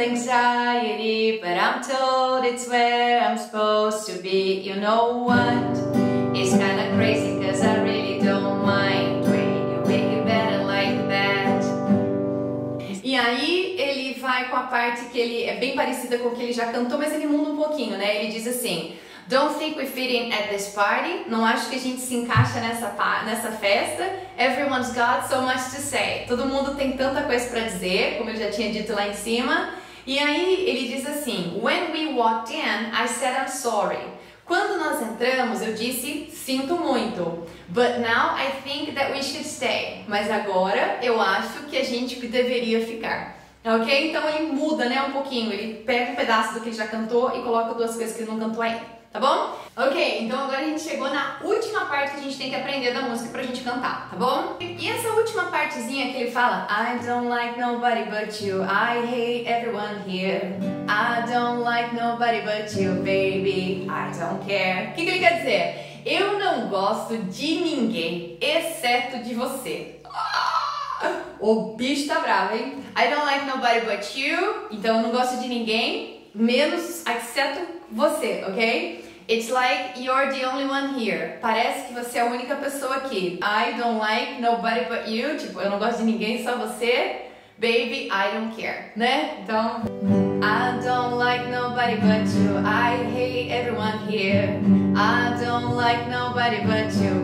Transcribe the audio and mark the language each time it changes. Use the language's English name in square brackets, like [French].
[English] It's where I'm supposed to be. You know what? It's kinda crazy cause I really don't mind when you make it better like that. [Portuguese] E aí ele vai com a parte que ele é bem parecida com o que ele já cantou, mas ele muda um pouquinho, né? Ele diz assim, [English] don't think we fit in at this party. [Portuguese] Não acho que a gente se encaixa nessa festa. [English] Everyone's got so much to say. [Portuguese] Todo mundo tem tanta coisa pra dizer, como eu já tinha dito lá em cima. E aí ele diz assim, [English] when we walked in, I said I'm sorry. [Portuguese] Quando nós entramos, eu disse, sinto muito. [English] But now I think that we should stay. [Portuguese] Mas agora eu acho que a gente deveria ficar. Ok? Então ele muda, né, um pouquinho. Ele pega um pedaço do que ele já cantou e coloca duas coisas que ele não cantou ainda. tá bom? Ok, então agora a gente chegou na última parte que a gente tem que aprender da música pra gente cantar, tá bom? E essa última partezinha que ele fala [English] I don't like nobody but you, I hate everyone here. I don't like nobody but you, baby, I don't care. [Portuguese] O que ele quer dizer? Eu não gosto de ninguém, exceto de você. O bicho tá bravo, hein? [English] I don't like nobody but you. [Portuguese] Então eu não gosto de ninguém, menos, exceto você, ok? [English] It's like you're the only one here. [Portuguese] Parece que você é a única pessoa aqui. [English] I don't like nobody but you. [Portuguese] Tipo, eu não gosto de ninguém, só você. [English] Baby, I don't care. [Portuguese] Né? Então... [English] I don't like nobody but you. I hate everyone here. I don't like nobody but you.